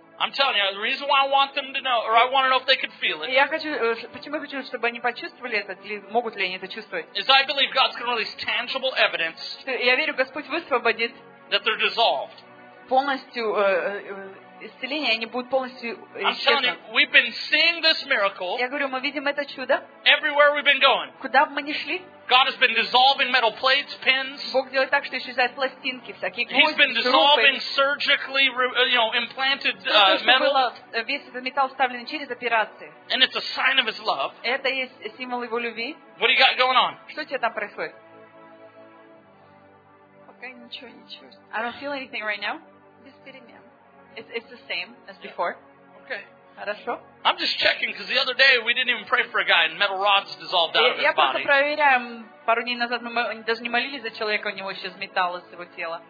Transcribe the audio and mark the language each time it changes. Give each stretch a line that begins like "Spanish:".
English: I'm telling you, the reason why I want them to know, or I want to know if they can feel it.
Russian: Я хочу, почему я хочу, чтобы они почувствовали это, могут ли они это чувствовать?
English: Is I believe God's going to release tangible evidence.
Russian: Что я верю, Господь высвободит.
English: That they're dissolved.
Russian: Полностью. Исцеление, они будут полностью исчезнуть. Я говорю, мы видим это чудо.
English: Everywhere we've been going.
Russian: Куда бы мы ни шли.
English: God has been dissolving metal plates, pins.
Russian: Бог делает так, что исчезают пластинки всякие.
English: He's been dissolving surgically, implanted metal.
Russian: Весь этот металл вставлен через операции.
English: And it's a sign of His love.
Russian: Это есть символ Его любви.
English: What do you got going on?
Russian: Что у тебя там происходит? Пока ничего не чувствую.
English: I don't feel anything right now.
Russian: Без перемен.
English: It's the same as before. Okay.
Russian: Хорошо.
English: I'm just checking because the other day we didn't even pray for a guy and metal rods dissolved out of his body.
Russian: Я просто проверяю. Пару дней назад мы даже не молились за человека, у него еще металл из его тела.